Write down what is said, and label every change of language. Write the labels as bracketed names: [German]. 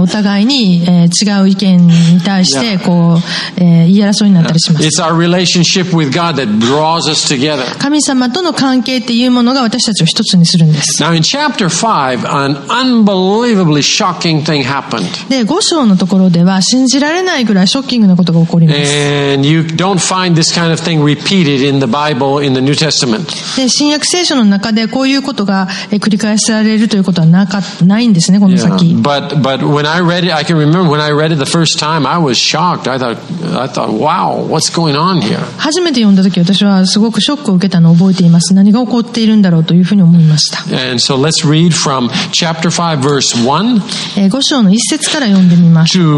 [Japanese] お互いに、違う意見に対してこう、言い争いになったりします。 [English] It's our relationship with God that draws us together. [Japanese] 神様との関係っていうものが私たちを一つにするんです。 [English] Now in chapter 5, an unbelievably shocking thing happened. [Japanese] で、5章のところでは信じられないぐらいショッキングなことが起こります。 [English] And you don't find this kind of thing repeated in the Bible in the New Testament. [Japanese] で、新約聖書の中でこういうことが繰り返されるということはないんですね、この先。 [English] Yeah. But when I read it, I can remember when I read it the first time, I was shocked. I thought, wow, what's going on here? [Japanese] 初めて読んだ時、私はすごくショックを受けたのを覚えています。何が起こっているんだろうというふうに思いました。 [English] And so let's read from chapter 5, verse 1. [Japanese] 5章の1節から読んでみます。